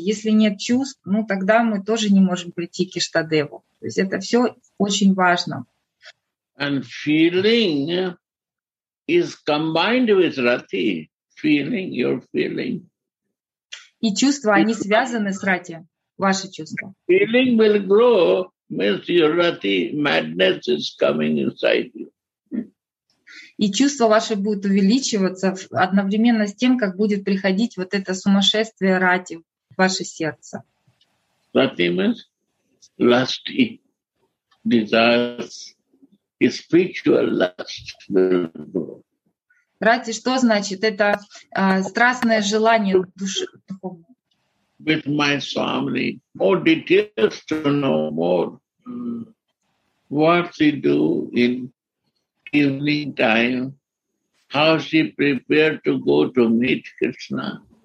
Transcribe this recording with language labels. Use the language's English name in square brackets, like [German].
[Russian] Если нет чувств, ну, тогда мы тоже не можем прийти к Ishtadevu. То есть это все очень важно. [English] And feeling is combined with rati. Feeling, your feeling. [Russian] И чувства, они связаны с рати, ваши чувства. [English] Feeling will grow. Means your rati madness is coming inside you. [Russian] И чувство ваше будет увеличиваться одновременно с тем, как будет приходить вот это сумасшествие рати в ваше сердце. [English] Rati means lusty desires, his spiritual lust will grow. [Russian] Рати, что значит? Это страстное желание души. [English] With my swami, more details to know more. What she do in evening time, how she prepared to go to meet Krishna.